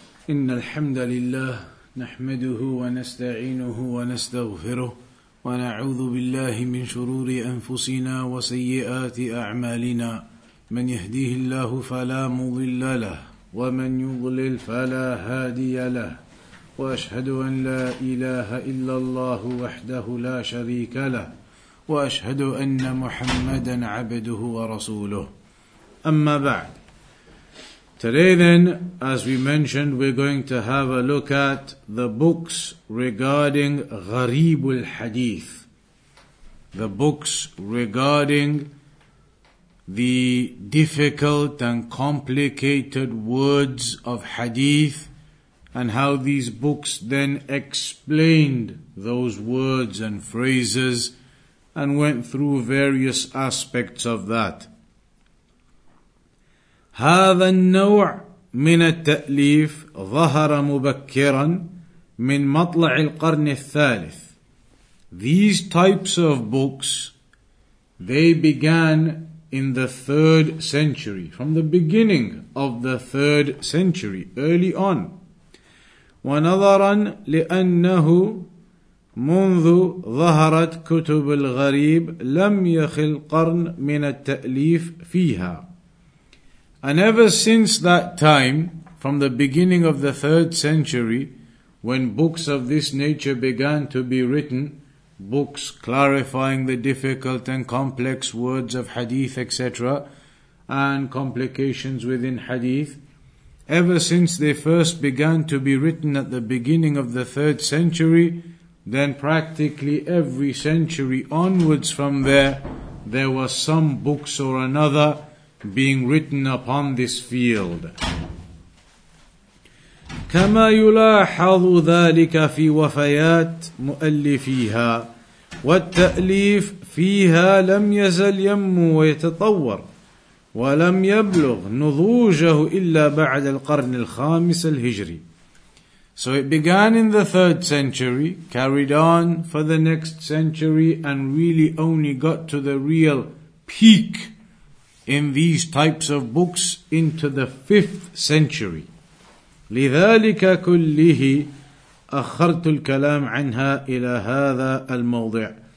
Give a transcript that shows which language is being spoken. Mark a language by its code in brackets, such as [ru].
[ar] إن الحمد لله نحمده ونستعينه ونستغفره ونعوذ بالله من شرور أنفسنا وسيئات أعمالنا من يهديه الله فلا مضل له ومن يضلل فلا هادي له وأشهد أن لا إله إلا الله وحده لا شريك له وأشهد أن محمدا عبده ورسوله أما بعد. [en] Today then, as we mentioned, we're going to have a look at the books regarding Gharibul Hadith. The books regarding the difficult and complicated words of Hadith and how these books then explained those words and phrases and went through various aspects of that. [ar] هذا النوع من التأليف ظهر مبكرا من مطلع القرن الثالث. [en] These types of books, they began in the 3rd century, from the beginning of the 3rd century, early on. [ar] ونظرا لأنه منذ ظهرت كتب الغريب لم يخل قرن من التأليف فيها. [en] And ever since that time, from the beginning of the 3rd century, when books of this nature began to be written, books clarifying the difficult and complex words of hadith, etc., and complications within hadith, ever since they first began to be written at the beginning of the 3rd century, then practically every century onwards from there, there were some books or another being written upon this field. [ar] كما يلاحظ ذلك في وفيات مؤلفيها والتأليف فيها لم يزل ينمو ويتطور ولم يبلغ نضوجه إلا بعد القرن الخامس الهجري. [en] So it began in the 3rd century, carried on for the next century, and really only got to the real peak in these types of books into the 5th century. [ar] لذلك كله أخرت الكلام عنها إلى هذا الموضع.